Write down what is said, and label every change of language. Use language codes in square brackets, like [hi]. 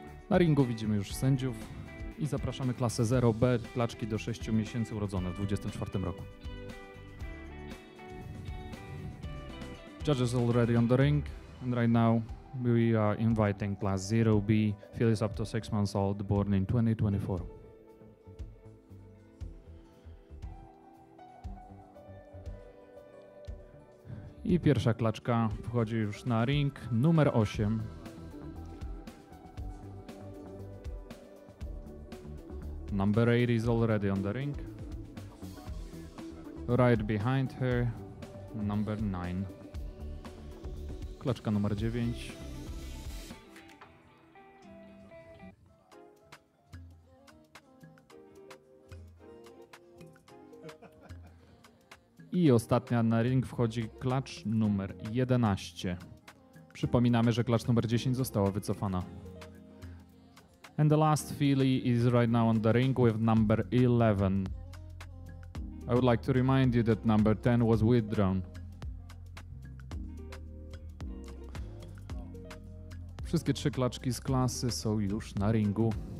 [pl] Na ringu widzimy już sędziów i zapraszamy klasę 0B, klaczki do 6 miesięcy urodzone w 2024 roku. [en] Judges already on the ring, and right now we are inviting class 0B, Phyllis up to 6 months old, born in 2024. [pl] I pierwsza klaczka wchodzi już na ring, numer 8. [en] Number 8 is already on the ring. Right behind her, number 9. [pl] Klaczka numer 9. I ostatnia na ring wchodzi klacz numer 11. Przypominamy, że klacz numer 10 została wycofana. [en] And the last filly is right now on the ring with number 11. I would like to remind you that number 10 was withdrawn. [pl] Wszystkie trzy klaczki z klasy są już na ringu.